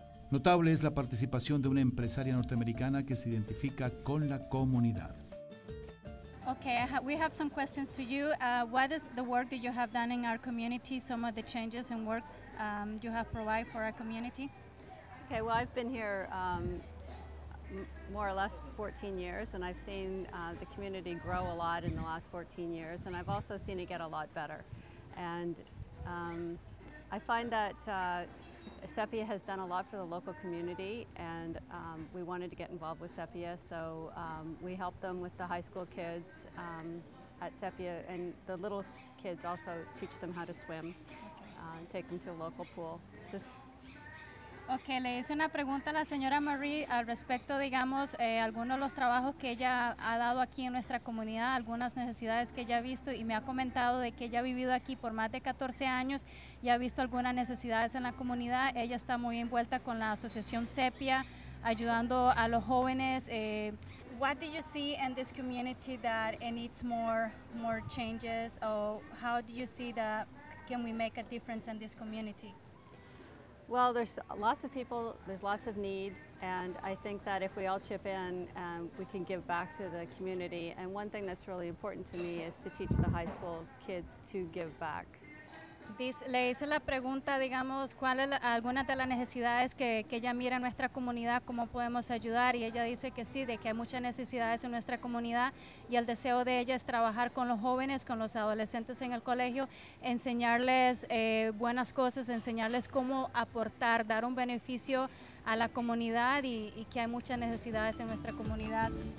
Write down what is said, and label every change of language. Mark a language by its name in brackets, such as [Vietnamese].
[Spanish] Notable es la participación de una empresaria norteamericana que se identifica con la comunidad. [English] Okay, we have some questions to you. What is the work that you have done in our community, some of the changes and works you have provided for our community? Okay, well, I've been here more or less 14 years, and I've seen the community grow a lot in the last 14 years, and I've also seen it get a lot better. And I find that CEPIA has done a lot for the local community, and we wanted to get involved with CEPIA, so we helped them with the high school kids at CEPIA, and the little kids also teach them how to swim, take them to a local pool. [Spanish] Okay, le hice una pregunta a la señora Marie al respecto, digamos, algunos de los trabajos que ella ha dado aquí en nuestra comunidad, algunas necesidades que ella ha visto, y me ha comentado de que ella ha vivido aquí por más de 14 años y ha visto algunas necesidades en la comunidad. Ella está muy envuelta con la asociación CEPIA, ayudando a los jóvenes. [English] What do you see in this community that it needs more changes, or how do you see that can we make a difference in this community? Well, there's lots of people, there's lots of need, and I think that if we all chip in, we can give back to the community. And one thing that's really important to me is to teach the high school kids to give back. [Spanish] Le hice la pregunta, digamos, ¿cuál es alguna de las necesidades que ella mira en nuestra comunidad, cómo podemos ayudar? Y ella dice que sí, de que hay muchas necesidades en nuestra comunidad y el deseo de ella es trabajar con los jóvenes, con los adolescentes en el colegio, enseñarles buenas cosas, enseñarles cómo aportar, dar un beneficio a la comunidad y que hay muchas necesidades en nuestra comunidad.